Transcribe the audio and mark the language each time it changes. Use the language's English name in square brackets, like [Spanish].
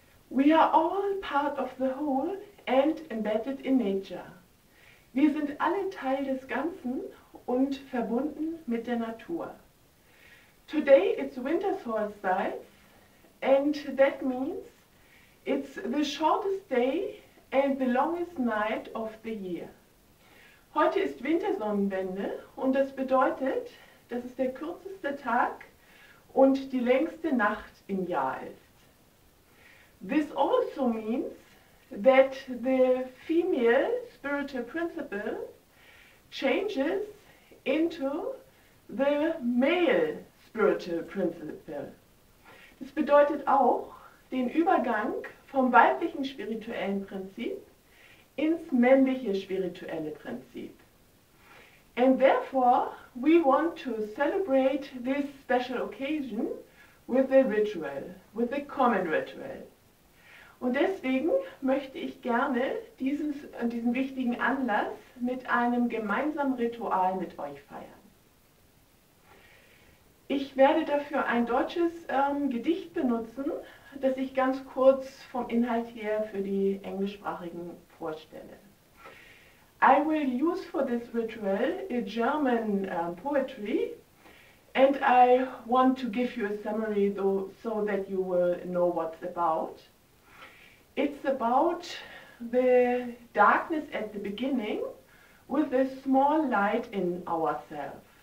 [English] We are all part of the whole and embedded in nature. [German] Wir sind alle Teil des Ganzen und verbunden mit der Natur. [English] Today it's Winter Solstice and that means it's the shortest day and the longest night of the year. [German] Heute ist Wintersonnenwende und das bedeutet, dass es der kürzeste Tag und die längste Nacht im Jahr ist. [English] This also means that the female spiritual principle changes into the male spiritual principle. [German] Das bedeutet auch den Übergang vom weiblichen spirituellen Prinzip ins männliche spirituelle Prinzip. [English] And therefore, we want to celebrate this special occasion with a ritual, with a common ritual. [German] Und deswegen möchte ich gerne diesen wichtigen Anlass mit einem gemeinsamen Ritual mit euch feiern. Ich werde dafür ein deutsches Gedicht benutzen, das ich ganz kurz vom Inhalt her für die Englischsprachigen vorstelle. [English] I will use for this ritual a German poetry and I want to give you a summary though, so that you will know what's about. It's about the darkness at the beginning with a small light in ourselves.